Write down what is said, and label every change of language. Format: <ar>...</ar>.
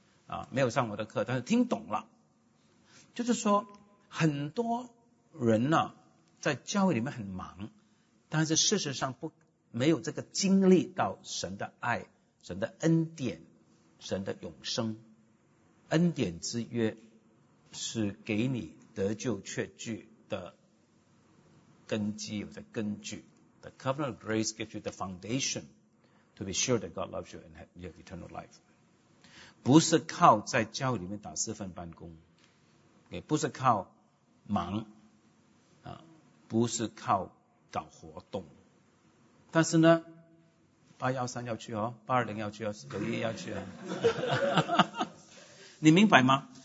<zh>啊，没有上我的课，但是听懂了。就是说，很多人呢、啊，在教会里面很忙，但是事实上没有这个经历到神的爱、神的恩典、神的永生。恩典之约是给你得救确据的根基，有的根据。</zh> <en>The covenant of grace gives you the foundation to be sure that God loves you and you have eternal life.</en> <zh>不是靠在教会里面打四份半工，也不是靠忙，不是靠搞活动，但是呢，813要去哦，820要去哦，91要去哦，你明白吗？</zh>